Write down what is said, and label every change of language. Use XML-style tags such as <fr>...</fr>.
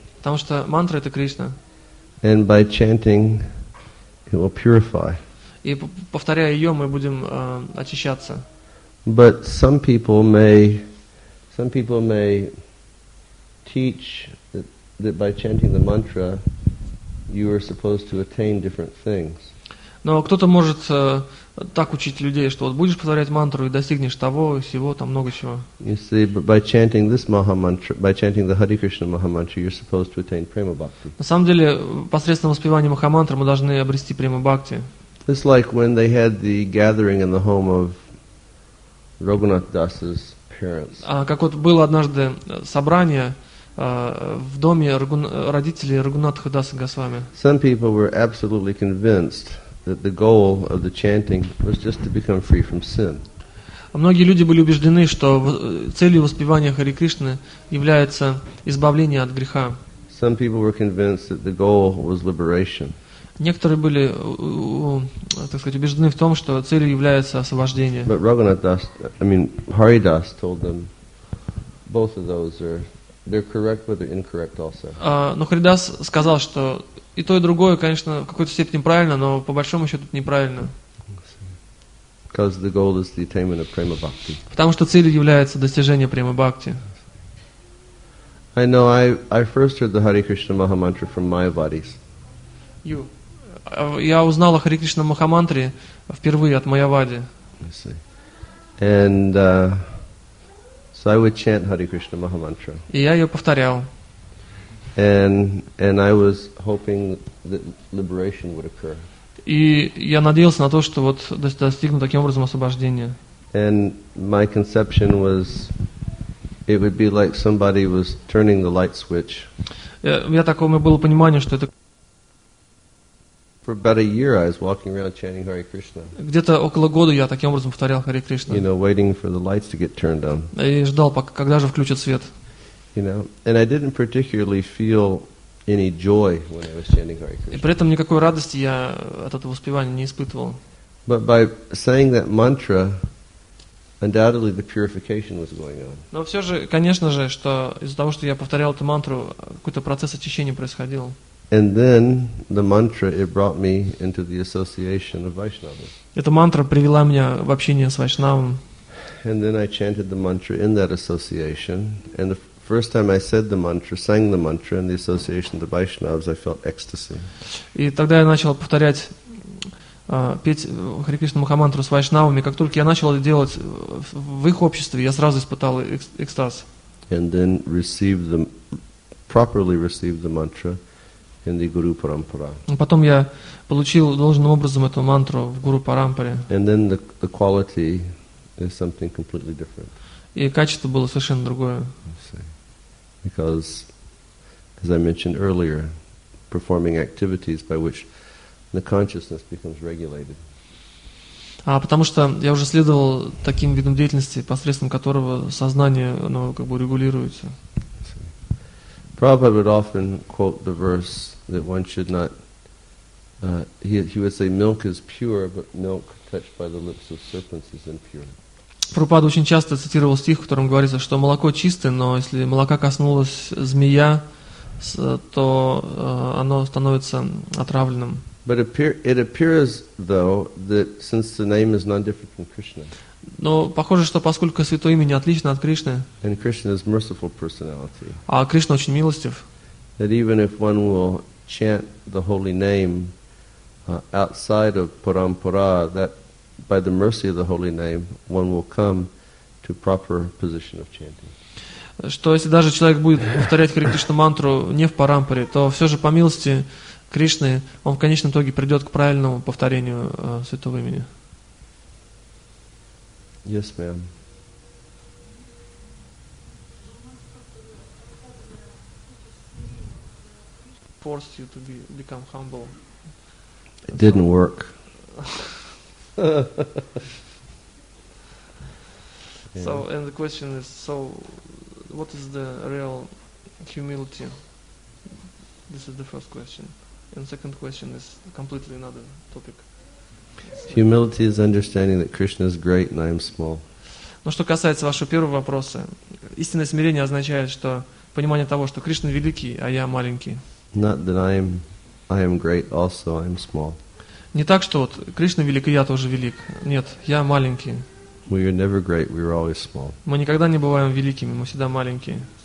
<ru>Потому что мантра — это Кришна.</ru> <en>And by chanting, it will purify.</en> <ru>И повторяя ее, мы будем очищаться.</ru> <en>But some people may teach that by chanting the mantra, you are supposed to attain different things.</en> <ru>Но кто-то может так учить людей, что вот будешь повторять мантру и достигнешь того, сего, там много чего.</ru> <en>You see, by chanting this Maha mantra, by chanting the Hare Krishna Maha mantra, you're supposed to attain prema bhakti.</en> <ru>На самом деле, посредством воспевания Маха мантры мы должны обрести према бхакти.</ru> <en>It's like when they had the gathering in the home of Raghunath Das's parents.</en> <ru>А как вот было однажды собрание в доме родителей Рагунатха Даса Госвами.</ru> <en>Some people were absolutely convinced that the goal of the chanting was just to become free from sin.</en> <ru>Многие люди были убеждены, что целью воспевания Хари Кришны является избавление от греха.</ru> <en>Some people were convinced that the goal was liberation.</en> <ru>Некоторые были, так сказать, убеждены в том, что целью является освобождение.</ru> <en>But Raghunath Das, I mean, Hari Das told them both of those are they're correct, but they're incorrect also.</en> <ru>Но Хари Дас сказал, что и то, и другое, конечно, в какой-то степени правильно, но по большому счету это неправильно.</ru> <en>Because the goal is the attainment of prema bhakti.</en> <ru>Потому что целью является достижение према бхакти.</ru> <en>I know, I first heard the Hare Krishna Maha mantra from Mayavadis. You.</en> <ru>Я узнал о Харе Кришна Маха мантре впервые от Майявади.</ru> <en>I see. And so I would chant Hare Krishna Maha mantra.</en> <ru>И я ее повторял.</ru> <en>And I was hoping that liberation would occur.</en> <ru>И я надеялся на то, что вот достигну таким образом освобождения.</ru> <en>And my conception was, it would be like somebody was turning the light switch.</en> <ru>Я такого, у меня было понимание, что это.</ru> <en>For about a year, I was walking around chanting Hare Krishna.</en> <ru>Где-то около года я таким образом повторял Харе Кришна.</ru> <en>You know, waiting for the lights to get turned on.</en> <ru>И ждал, пока когда же включат свет.</ru> <en>You know, and I didn't particularly feel any joy when I was chanting Hare Krishna.</en> <ru>И при этом никакой радости я от этого воспевания не испытывал.</ru> <en>But by saying that mantra, undoubtedly the purification was going on.</en> <ru>Но все же, конечно же, что из-за того, что я повторял эту мантру, какой-то процесс очищения происходил.</ru> <en>And then the mantra it brought me into the association of Vaishnavas.</en> <ru>Эта мантра привела меня в общение с Вайшнавом.</ru> <en>And then I chanted the mantra in that association, and first time I said the mantra, sang the mantra in the association of the Vaishnavas, I felt ecstasy.</en> <ru>И тогда я начал повторять, петь Хари Кришна Маха мантру с Вайшнавами. Как только я начал это делать в их обществе, я сразу испытал экстаз.</ru> <en>And then properly received the mantra in the Guru Parampara.</en> <ru>Потом я получил должным образом эту мантру в Гуру Парампаре.</ru> <en>And then the quality is something completely different.</en> <ru>И качество было совершенно другое.</ru> <en>Because, as I mentioned earlier, performing activities by which the consciousness becomes regulated.</en> <ru>А потому что я уже следовал таким видом деятельности, посредством которого сознание, оно как бы регулируется.</ru> <en>Prabhupada would often quote the verse that one should not. He would say, "Milk is pure, but milk touched by the lips of serpents is impure."</en> <ru>Прабхупада очень часто цитировал стих, в котором говорится, что молоко чистое, но если молока коснулось змея, то оно становится отравленным.</ru> <en>But it appears though that since the name is not different from Krishna.</en> <ru>Но похоже, что поскольку святое имя не отлично от Кришны,</ru> <en>and Krishna is merciful personality,</en> <ru>а Кришна очень милостив,</ru> <en>that even if one will chant the holy name outside of Parampara, that by the mercy of the holy name, one will come to proper position of chanting.</en> <ru>Что если даже человек будет повторять Хари Кришна мантру не в Парампаре, то все же по милости Кришны, он в конечном итоге придет к правильному повторению святого имени.</ru> <en>Yes, ma'am. Forced you to become humble. It didn't work. Yeah. So, and the question is, so, what is the real humility? This is the first question. And second question is completely another topic. Humility is understanding that Krishna is great and I am small.</en> <ru>Но что касается вашего первого вопроса, истинное смирение означает, что понимание того, что Кришна великий, а я маленький.</ru> <en>Not that I am great also, I am small.</en> <ru>Не так, что вот Кришна велик, и я тоже велик. Нет, я маленький.</ru> <en>We are never great, we are always small.</en> <ru>Мы никогда не бываем великими, мы всегда маленькие.</ru>